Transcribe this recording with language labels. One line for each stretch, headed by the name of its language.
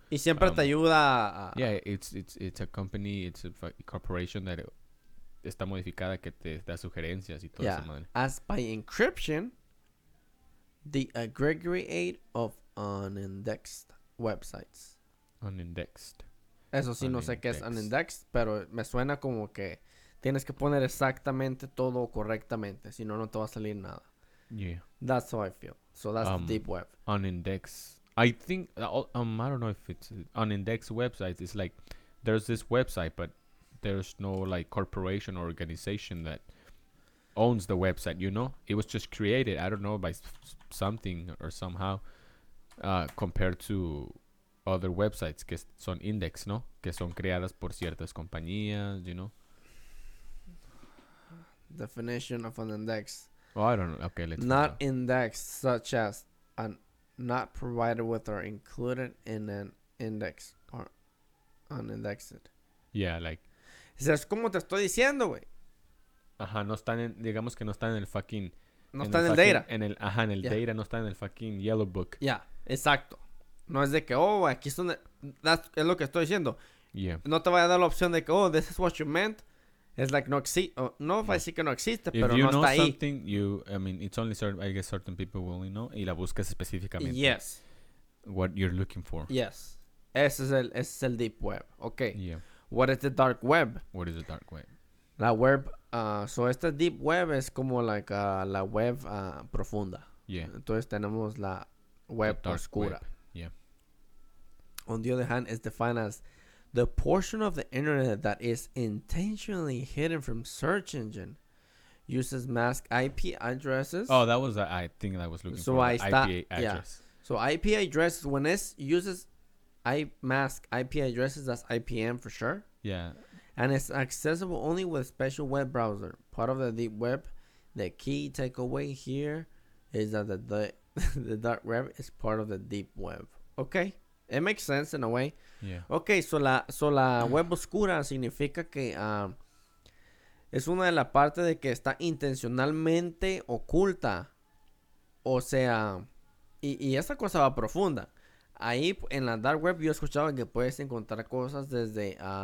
Spanish: Y siempre te ayuda.
English: Yeah, it's a company, it's a corporation that
Spanish: está modificada que te da sugerencias y todo eso.
English: Yeah, as by encryption, the aggregate of unindexed websites. Unindexed.
Spanish: Eso sí, unindexed. No sé qué es unindexed, pero me suena como que tienes que poner exactamente todo correctamente, si no, no te va a salir nada.
English: Yeah. That's how I feel. So that's the deep web. Unindexed. I think, I don't know if it's unindexed websites. It's like there's this website, but there's no like corporation or organization that owns the website, you know? It was just created, I don't know, by something or somehow compared to other websites
Spanish: que son index, ¿no? Que son creadas por ciertas compañías,
English: you know? Definition of an index. Oh, I don't know. Okay, let's not indexed, such as an not provided with or included in an index or unindexed. Yeah, like...
Spanish: Es como te estoy diciendo, güey. Ajá, no están en... Digamos que no están en el fucking... No están en el data. Data, no están en el fucking yellow book. Yeah, exacto. No es de que, oh, aquí son... es lo que estoy diciendo.
English: Yeah.
Spanish: No te vaya a dar la opción de que,
English: oh, this is what you meant. It's like,
Spanish: no existe. No, va a decir que no existe, pero no está ahí. If
English: you know something, it's only certain, I guess, certain people will only know.
Spanish: Y la buscas específicamente.
English: Yes. What you're looking for.
Spanish: Yes. Ese es el deep web. Okay.
English: Yeah. What is the dark web? What is the dark web?
Spanish: La web... So, este deep web es como, like, la web profunda.
English: Yeah.
Spanish: Entonces, tenemos la web oscura. Web.
English: Yeah. On the other hand, it's defined as the portion of the internet that is intentionally hidden from search engine uses masked IP addresses. Oh, that was the thing that I was looking for. IP address. Yeah. So IPA dress, when it uses IPA addresses, that's IPM for sure. Yeah. And it's accessible only with special web browser, part of the deep web. The key takeaway here is that the dark web is part of the deep web. Okay. It makes sense in a way. Yeah. Okay.
Spanish: So la web oscura significa que es una de las partes de que está intencionalmente oculta. O sea, y esta cosa va profunda. Ahí en la dark web yo he escuchado que puedes encontrar cosas desde